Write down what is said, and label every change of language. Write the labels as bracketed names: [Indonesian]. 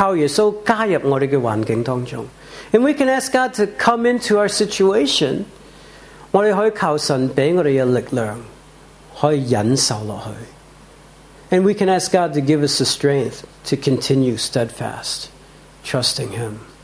[Chinese] 我们可以靠耶稣加入我们的环境当中. [English] And we can ask God to come into our situation. [Chinese] 我们可以靠神给我们的力量，可以忍受下去. [English] And we can ask God to give us the strength to continue steadfast, trusting Him.